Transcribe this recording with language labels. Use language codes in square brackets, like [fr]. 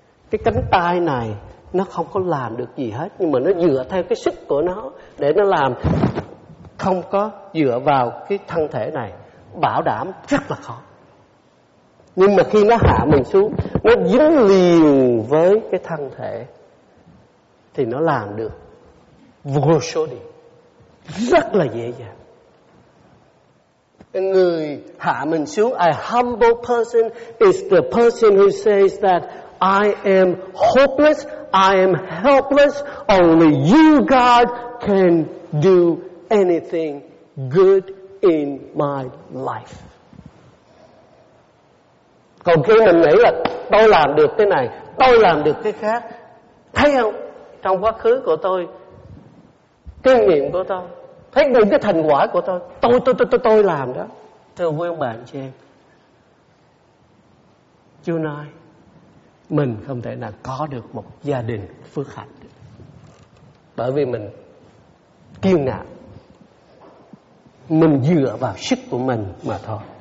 [vi] Cái cánh tay này nó không có làm được gì hết, nhưng mà nó dựa theo cái sức của nó để nó làm, không có dựa vào cái thân thể này, bảo đảm rất là khó. Nhưng mà khi nó hạ mình xuống, nó dính liền với cái thân thể, thì nó làm được vô số điều, rất là dễ dàng. Người hạ mình xuống, [en] a humble person is the person who says that I am hopeless, I am helpless, only you God can do anything good in my life. [vi] Còn khi mình nghĩ là tôi làm được cái này, tôi làm được cái khác, thấy không, trong quá khứ của tôi, kinh nghiệm của tôi, thấy những cái thành quả của tôi làm đó. Thưa quý ông bà anh chị em, Chúa nói mình không thể nào có được một gia đình phước hạnh bởi vì mình kiêu ngạo, mình dựa vào sức của mình mà thôi.